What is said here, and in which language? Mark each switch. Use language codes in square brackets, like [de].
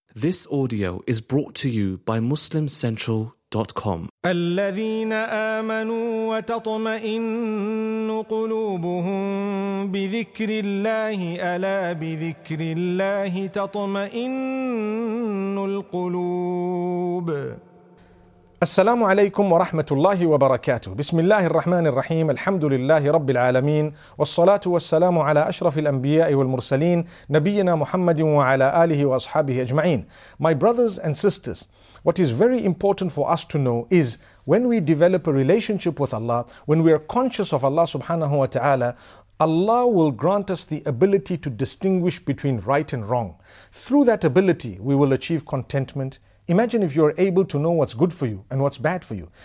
[en] This audio is brought to you by MuslimCentral.com. [ar] الذين آمنوا وتطمئن قلوبهم بذكر الله ألا بذكر الله تطمئن القلوب. السلام عليكم ورحمة الله وبركاته. بسم الله الرحمن الرحيم. الحمد لله رب العالمين، والصلاة والسلام على أشرف الأنبياء والمرسلين نبينا محمد وعلى آله وأصحابه أجمعين. [en] My brothers and sisters, what is very important for us to know is when we develop a relationship with Allah, when we are conscious of Allah subhanahu wa ta'ala, Allah will grant us the ability to distinguish between right and wrong. Through that ability, we will achieve contentment. Imagine if you're able to know what's good for you and what's bad for you.